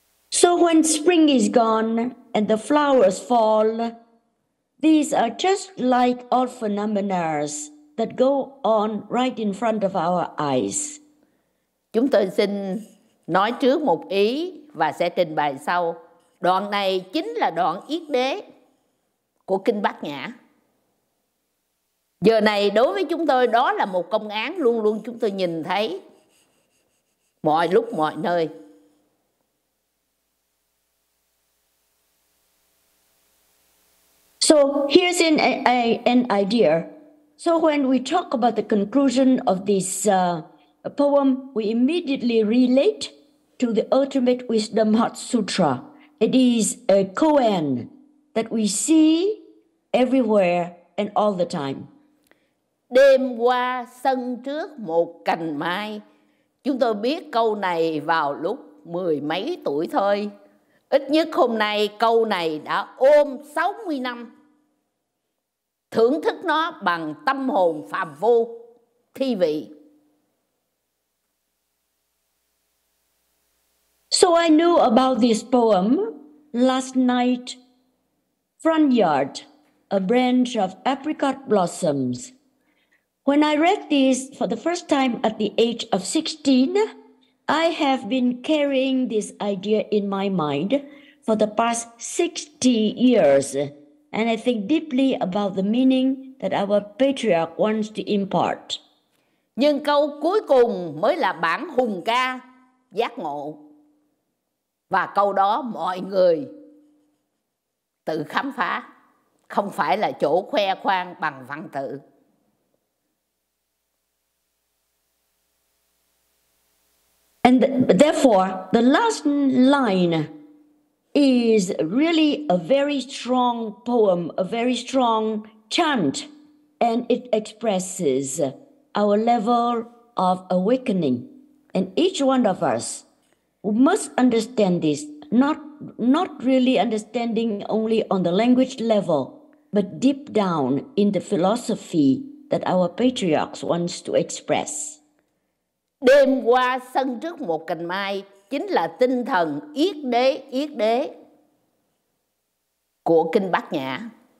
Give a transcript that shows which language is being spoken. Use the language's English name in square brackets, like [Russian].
[English] So when spring is gone and the flowers fall, these are just like all phenomena that go on right in front of our eyes. [Vietnamese] Chúng tôi xin nói trước một ý và sẽ trình bày sau. Đoạn này chính là đoạn yết đế của Kinh Bát Nhã. Giờ này đối với chúng tôi đó là một công án luôn luôn chúng tôi nhìn thấy mọi lúc mọi nơi. [English] So here's an idea. So when we talk about the conclusion of this poem, we immediately relate to the Ultimate Wisdom Heart Sutra. It is a koan that we see everywhere and all the time. [Vietnamese] Đêm qua sân trước một cành mai. Chúng tôi biết câu này vào lúc mười mấy tuổi thôi. Ít nhất hôm nay câu này đã ôm 60 năm. Thưởng thức nó bằng tâm hồn phàm phu thi vị. [English] So I knew about this poem last night. Front yard, a branch of apricot blossoms. When I read this for the first time at the age of 16, I have been carrying this idea in my mind for the past 60 years. And I think deeply about the meaning that our patriarch wants to impart. [Vietnamese] Nhưng câu cuối cùng mới là bản hùng ca giác ngộ. Và câu đó mọi người tự khám phá, không phải là chỗ khoe khoang bằng văn tự. [English] And therefore, the last line is really a very strong poem, a very strong chant, and it expresses our level of awakening. And each one of us must understand this, not really understanding only on the language level, but deep down in the philosophy that our patriarchs wants to express. [Vietnamese] Đêm qua sân trước một cành mai chính là tinh thần yết đế của kinh Bát Nhã.